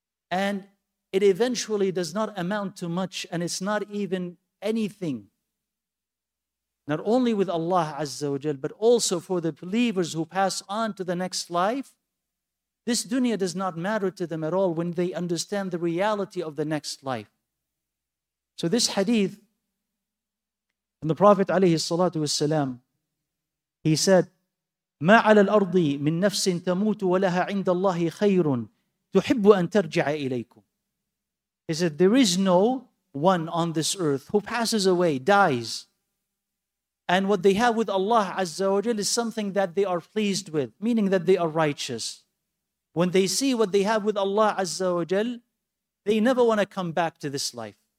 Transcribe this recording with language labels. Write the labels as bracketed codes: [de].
[en] And it eventually does not amount to much, and it's not even anything. Not only with Allah Azza wa Jal, but also for the believers who pass on to the next life, this dunya does not matter to them at all when they understand the reality of the next life. So this hadith from the Prophet alayhi salatu wasalam, he said, [ar] مَا عَلَى الْأَرْضِ مِنْ نَفْسٍ تَمُوتُ وَلَهَا عِنْدَ اللَّهِ خَيْرٌ تُحِبُّ أَنْ تَرْجِعَ إِلَيْكُمْ. [en] He said, there is no one on this earth who passes away, dies. And what they have with Allah Azza wa Jal is something that they are pleased with, meaning that they are righteous. When they see what they have with Allah Azza wa Jal, they never want to come back to this life.